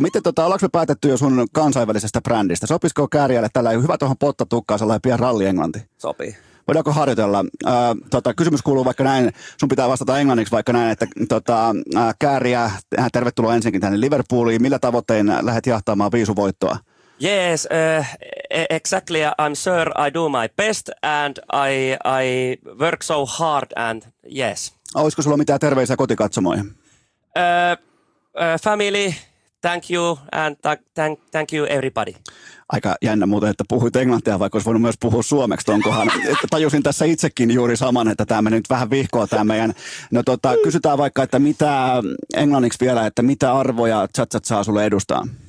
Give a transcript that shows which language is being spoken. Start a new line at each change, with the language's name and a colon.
Finnish: Miten ollaanko me päätetty jo sun kansainvälisestä brändistä? Sopisiko Käärijälle tällä hyvä tuohon pottatukkaan sellainen pian rallienglanti? Sopii. Voidaanko harjoitella? Kysymys kuuluu vaikka näin, sun pitää vastata englanniksi vaikka näin, että Käärijä, tervetuloa ensinkin tänne Liverpooliin. Millä tavoittein lähdet jahtaamaan viisuvoittoa?
English: Yes, exactly. I'm sure I do my best and I work so hard and yes.
Finnish: Olisiko sulla mitään terveisiä kotikatsomoihin?
English: Family, thank you and thank you everybody.
Finnish: Aika jännä muuten, että puhuit englantia, vaikka olisi voinut myös puhua suomeksi tuon kohan. Tajusin tässä itsekin juuri saman, että tämä meni nyt vähän vihkoa tämä meidän. Kysytään vaikka, että mitä englanniksi vielä, että mitä arvoja chat saa sulle edustaa?